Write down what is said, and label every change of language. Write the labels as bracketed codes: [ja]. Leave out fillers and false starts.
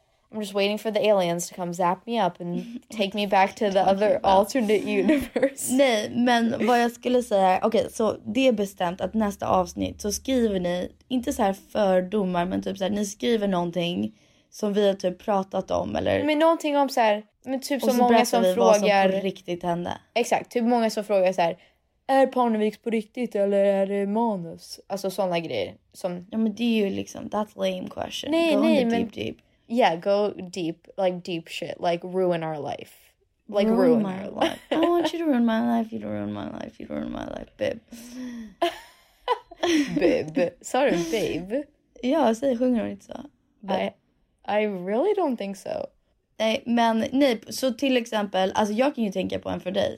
[en] I'm just waiting for the aliens to come zap me up and take me back to the other alternate universe. [sv] Nej, men vad jag skulle säga, okej, så det är bestämt att nästa avsnitt så skriver ni, inte så här fördomar, men typ så här, ni skriver någonting som vi har typ pratat om eller men någonting om så här, men typ så många som vi frågar vad som på riktigt hände. Exakt, typ många som frågar så här, är Parneviks på riktigt eller är det manus? Alltså sådana grejer som... Ja men det är ju liksom, [en] that's lame question. [sv] Nej, [en] go [sv] nej, [en] deep, [sv] men... [en] deep. Yeah, go deep, like deep shit. Like ruin our life. Like ruin my life. I want you to ruin my life, you to ruin my life, you to ruin my life, babe. Babe. Sorry, babe. [sv] Ja, så sjunger hon inte så. [en] I really don't think so. [sv] Nej, men nej, så till exempel, alltså jag kan ju tänka på en för dig.